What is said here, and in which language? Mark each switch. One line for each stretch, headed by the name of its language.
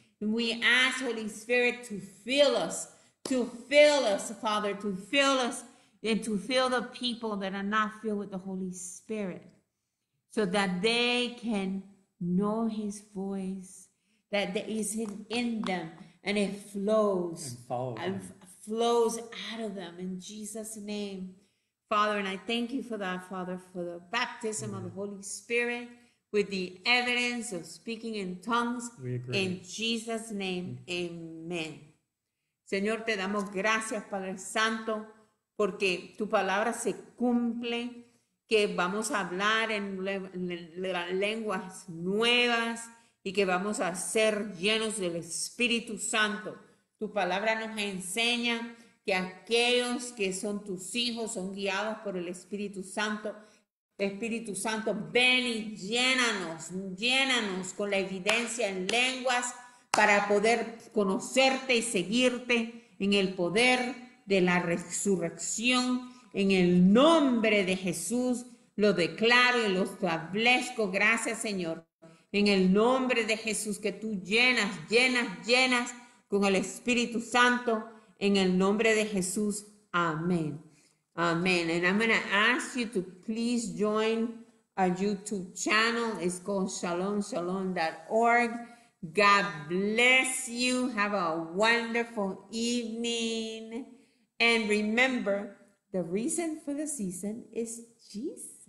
English: And we ask Holy Spirit to fill us, Father, to fill us and to fill the people that are not filled with the Holy Spirit, so that they can know his voice, that there is him in them, and it flows and flows out of them in Jesus' name. Father, and I thank you for that, Father, for the baptism of the Holy Spirit with the evidence of speaking in tongues. We agree. In Jesus' name, amen.
Spanish: Señor, te damos gracias, Padre Santo, porque tu palabra se cumple, que vamos a hablar en lenguas nuevas y que vamos a ser llenos del Espíritu Santo. Tu palabra nos enseña que aquellos que son tus hijos son guiados por el Espíritu Santo. Espíritu Santo, ven y llénanos con la evidencia en lenguas para poder conocerte y seguirte en el poder de la resurrección. En el nombre de Jesús, lo declaro y lo establezco. Gracias, Señor. En el nombre de Jesús, que tú llenas con el Espíritu Santo. En el nombre de Jesús, amén. Amén.
English: And I'm going to ask you to please join our YouTube channel. It's called shalomshalom.org. God bless you. Have a wonderful evening. And remember, the reason for the season is Jesus.